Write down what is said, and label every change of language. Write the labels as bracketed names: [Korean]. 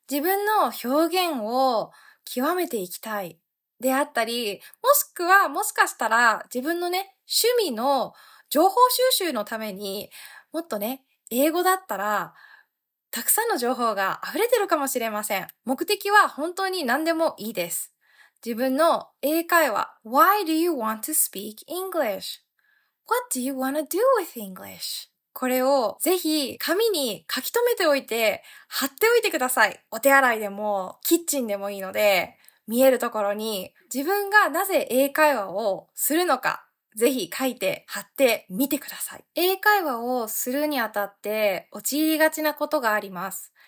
[Japanese] 自分の表現を極めていきたいであったり、もしくはもしかしたら自分のね、趣味の情報収集のためにもっとね、英語だったらたくさんの情報が溢れてるかもしれません。目的は本当に何でもいいです。自分の英会話。 [English] Why do you want to speak English? What do you want to do with English? [Japanese] これをぜひ紙に書き留めておいて貼っておいてください。お手洗いでもキッチンでもいいので見えるところに自分がなぜ英会話をするのかぜひ書いて貼ってみてください。英会話をするにあたって陥りがちなことがあります。